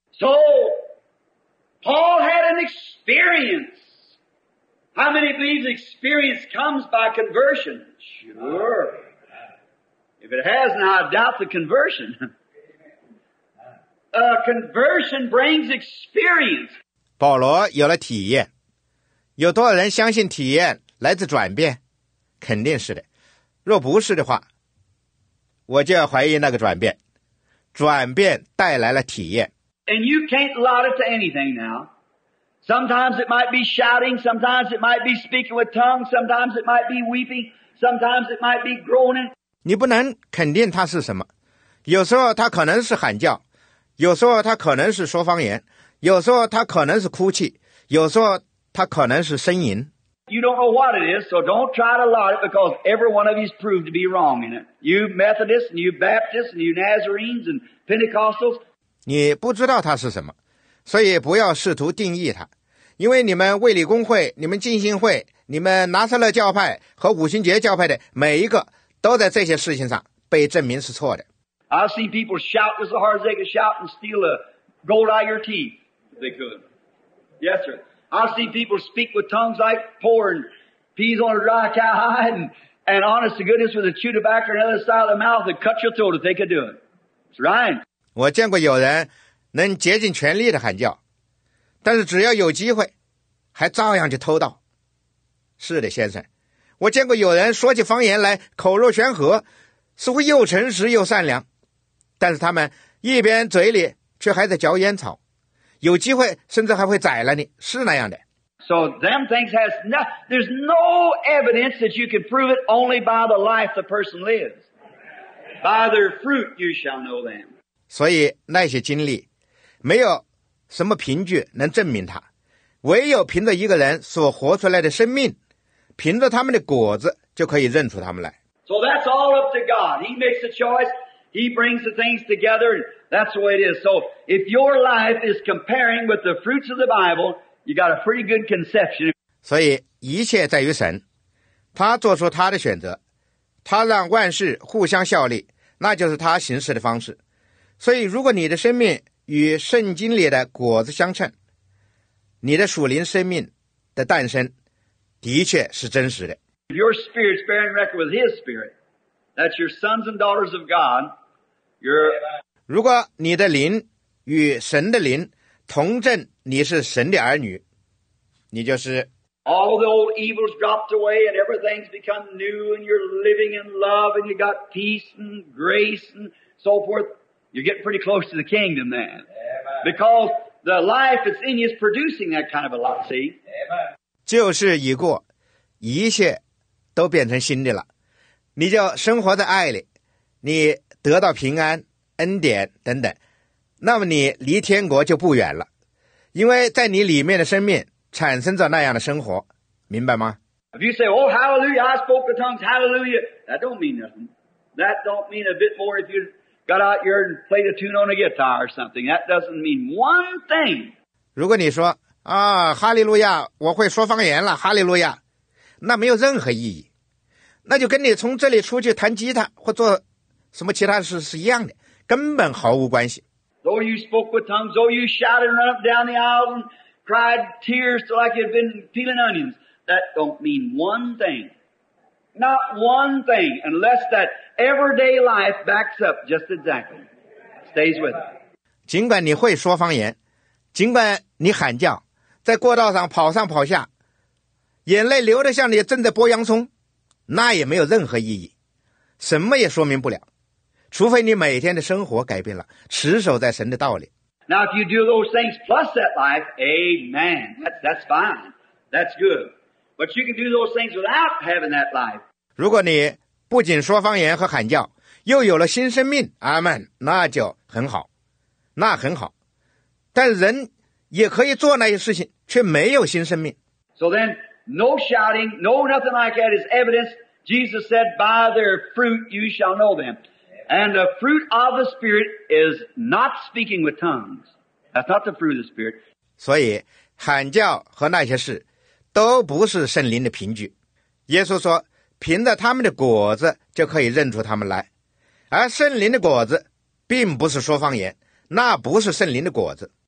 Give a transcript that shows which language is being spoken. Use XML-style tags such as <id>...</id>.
<en>So, Paul had an experience. How many believe experience comes by conversion? Sure. If it has, now I doubt the conversion. Conversion brings experience.</en> <zh>保罗有了体验，有多少人相信体验来自转变？肯定是的。若不是的话，我就要怀疑那个转变。转变带来了体验。</zh> <en>And you can't lot it to anything now. Sometimes it might be shouting, sometimes it might be speaking with tongues, sometimes it might be weeping, sometimes it might be groaning.</en> <zh>你不能肯定它是什么。有时候它可能是喊叫，有时候它可能是说方言，有时候它可能是哭泣，有时候它可能是呻吟。</zh> <en>You don't know what it is, so don't try to lot it because every one of you has proved to be wrong in it. You Methodists, and you Baptists, and you Nazarenes, and Pentecostals.</en> <zh>你不知道它是什么，所以不要试图定义它，因为你们卫理公会、你们浸信会、你们拿撒勒教派和五旬节教派的每一个都在这些事情上被证明是错的。</zh> <en>I've seen people shout as hard as they could shout and steal a gold out of your teeth if they could. Yes, sir. I've seen people speak with tongues like pouring peas on a dry cowhide and honest to goodness with a chew tobacco on the other side of the mouth and cut your throat if they could do it. It's right.</en> <zh>我见过有人能竭尽全力的喊叫，但是只要有机会，还照样去偷盗。是的，先生，我见过有人说起方言来口若悬河，似乎又诚实又善良，但是他们一边嘴里却还在嚼烟草。有机会甚至还会宰了你，是那样的。</zh> <en>So them things has no, there's no evidence that you can prove it only by the life the person lives. By their fruit you shall know them.</en> <zh>所以那些经历没有什么凭据能证明它，唯有凭着一个人所活出来的生命，凭着他们的果子就可以认出他们来。</zh> <en>So that's all up to God. He makes a choice. He brings the things together andThat's the way it is. So if your life is comparing with the fruits of the Bible, you got a pretty good conception.</en> <zh>所以一切在于神，他做出他的选择，他让万事互相效力，那就是他行事的方式。所以如果你的生命与圣经里的果子相称，你的属灵生命的诞生的确是真实的。</zh> <en>If your spirit's bearing record with his spirit, that's your sons and daughters of God, you're...</en> <zh>如果你的灵与神的灵同证你是神的儿女，你就是。</zh> <en>All the old evil's dropped away and everything's become new and you're living in love and you got peace and grace and so forth. You're getting pretty close to the kingdom then. Amen. Because the life that's in you is producing that kind of a lot, see? Amen.</en> <zh>就是已过，一切都变成新的了。你就生活在爱里，你得到平安。恩典等等，那么你离天国就不远了，因为在你里面的生命产生着那样的生活，明白吗？</zh> <en>If you say, oh, hallelujah, I spoke the tongues, hallelujah, that don't mean nothing. That don't mean a bit more if you got out here and played a tune on a guitar or something. That doesn't mean one thing.</en> <zh>如果你说，啊，哈利路亚，我会说方言了，哈利路亚，那没有任何意义。那就跟你从这里出去弹吉他或做什么其他事是一样的。根本毫无关系。</zh> <en>Though you spoke with tongues, though you shouted and ran up down the aisle and cried tears like you'd been peeling onions, that don't mean one thing. Not one thing, unless that everyday life backs up just exactly. Stays with it.</en> <zh>尽管你会说方言，尽管你喊叫，在过道上跑上跑下，眼泪流得像你正在剥洋葱，那也没有任何意义，什么也说明不了。除非你每天的生活改变了，持守在神的道理。</zh> <en>Now if you do those things plus that life, amen, that's fine, that's good. But you can do those things without having that life.</en> <zh>如果你不仅说方言和喊叫，又有了新生命，阿们，那就很好，那很好。但人也可以做那些事情，却没有新生命。</zh> <en>So then, no shouting, no nothing like that is evidence. Jesus said, by their fruit you shall know them. And the fruit of the Spirit is not speaking with tongues. That's not the fruit of the Spirit.</en> <zh>所以喊叫和那些事都不是圣灵的凭据。耶稣说凭着他们的果子就可以认出他们来。而圣灵的果子并不是说方言，那不是圣灵的果子。</zh>